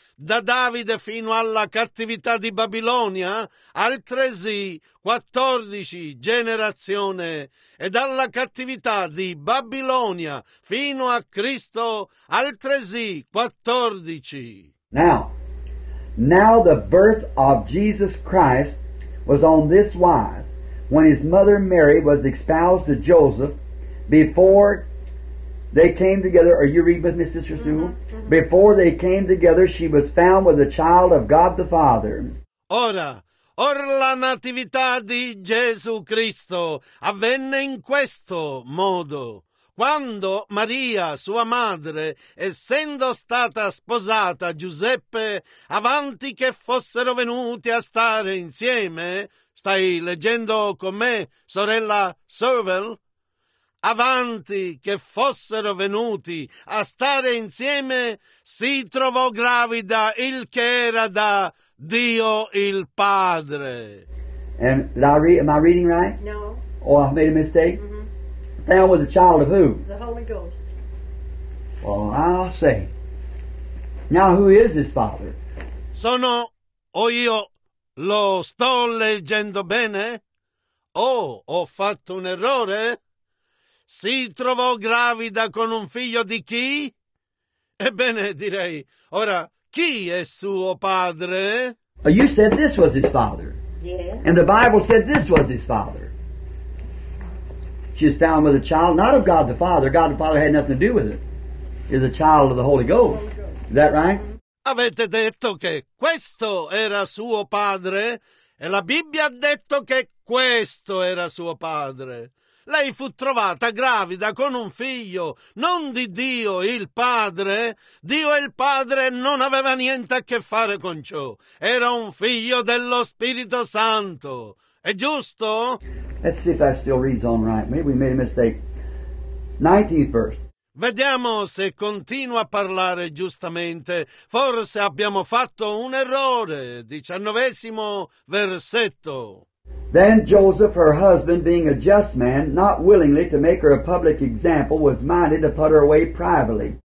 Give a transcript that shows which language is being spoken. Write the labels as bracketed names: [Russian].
[Italian] Da Davide fino alla cattività di Babilonia, altresì 14 generazioni. E dalla cattività di Babilonia fino a Cristo, altresì 14. [English] Now the birth of Jesus Christ was on this wise, when his mother Mary was espoused to Joseph, before they came together. Are you reading with me, Sister Sue? Mm-hmm. Before they came together, she was found with the child of God the Father. [Italian] Ora la natività di Gesù Cristo avvenne in questo modo. Quando Maria, sua madre, essendo stata sposata a Giuseppe, avanti che fossero venuti a stare insieme, stai leggendo con me, sorella Servel? Avanti che fossero venuti a stare insieme, si trovò gravida, il che era da Dio il Padre. [English] Am I reading right? No. Oh, I made a mistake? Mm-hmm. Found with the child of who? The Holy Ghost. Well, I'll say. Now, who is his father? [Italian] Sono, o io lo sto leggendo bene? Oh, ho fatto un errore? Si trovò gravida con un figlio di chi? Ebbene, direi, ora, chi è suo padre? [English] You said this was his father. Yeah. And the Bible said this was his father. She is found with a child, not of God the Father. God the Father had nothing to do with it. It is a child of the Holy Ghost. Is that right? [Italian] Avete detto che questo era suo padre, e la Bibbia ha detto che questo era suo padre. Lei fu trovata gravida con un figlio, non di Dio il Padre. Dio il Padre non aveva niente a che fare con ciò. Era un figlio dello Spirito Santo. È giusto? [English] Let's see if that still reads on right. Maybe we made a mistake. 19th verse. [Italian] Vediamo se continua a parlare giustamente. Forse abbiamo fatto un errore. 19° versetto. [English] Then Joseph, her husband, being a just man, not willingly to make her a public example, was minded to put her away privately.